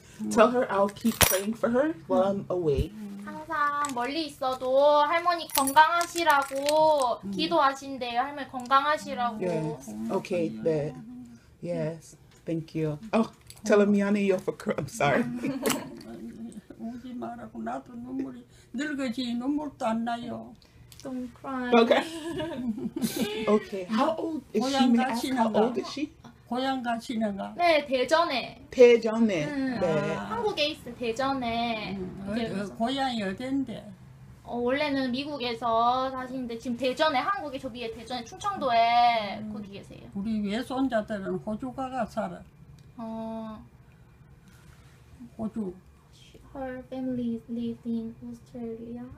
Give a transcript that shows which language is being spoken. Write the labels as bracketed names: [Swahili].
[English] Tell her I'll keep praying for her while I'm away. [Korean] 항상 멀리 있어도 할머니 건강하시라고 기도하신대요. 할머니 건강하시라고. [English] Yes. Okay. That. Yes. Thank you. Oh, tell her miyaneyo for crying. I'm sorry. [Korean] 울지 말라고 나도 눈물이 늙어지 눈물도 안 나요. [English] Don't cry. Okay. Okay. How old is she? May I ask how old is she? [Korean] 고향 가시는가? 네, 대전에. 대전에. 네. 한국에 있어, 대전에. 고향이 어딘데? 원래는 미국에서 사시는데 지금 대전에, 한국에 저 위에 대전에 충청도에 거기 계세요. 우리 외손자들은 호주 가가 살아. 호주. [English] Her family lives in Australia.